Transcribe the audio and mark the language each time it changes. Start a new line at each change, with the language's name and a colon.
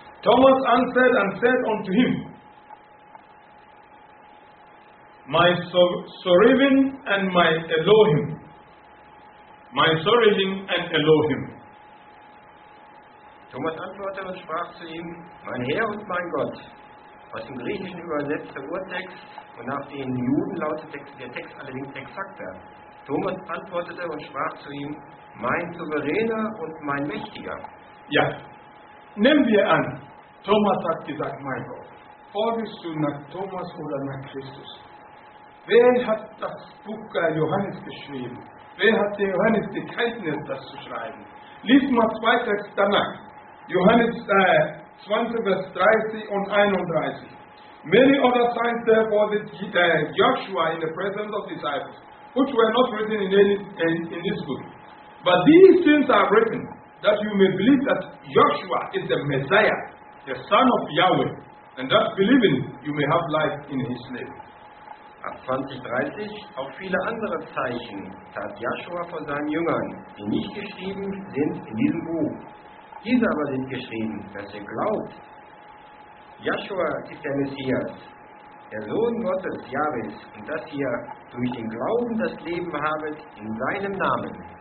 English: Thomas answered and said unto him, my Sorevin and my Elohim. My Sorevin and Elohim.
German: Thomas antwortete und sprach zu ihm, mein Herr und mein Gott. Aus dem Griechischen übersetzt der Urtext, und nach den Juden lautet der Text allerdings exakter. Thomas antwortete und sprach zu ihm, mein Souveräner und mein Mächtiger. Ja, nehmen wir an, Thomas hat gesagt, mein Gott. Folgst du nach Thomas oder nach Christus? Wer hat das Buch Johannes geschrieben? Wer hat den Johannes gezeichnet, das zu schreiben? Lies mal zwei Texte danach. Johannes 20, Vers 30 und 31.
English: Many other signs therefore did Joshua in the presence of disciples, which were not written in this book. But these things are written, that you may believe that Joshua is the Messiah, the Son of Yahweh, and that believing you may have life in his name.
German: Ab 20:30 auch viele andere Zeichen tat Joshua vor seinen Jüngern, die nicht geschrieben sind in diesem Buch. Diese aber sind geschrieben, dass ihr glaubt. Joshua ist der Messias, der Sohn Gottes, Jahwes, und dass ihr durch den Glauben das Leben habet in seinem Namen.